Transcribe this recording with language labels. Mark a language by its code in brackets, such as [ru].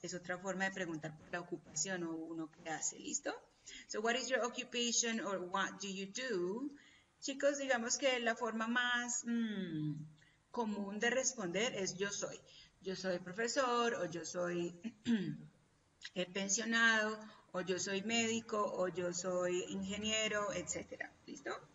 [es] Es otra forma de preguntar por la ocupación o uno que hace, ¿listo? [en] So, what is your occupation or what do you do? [es] Chicos, digamos que la forma más común de responder es yo soy. Yo soy profesor o yo soy pensionado o yo soy médico o yo soy ingeniero, etcétera, ¿listo?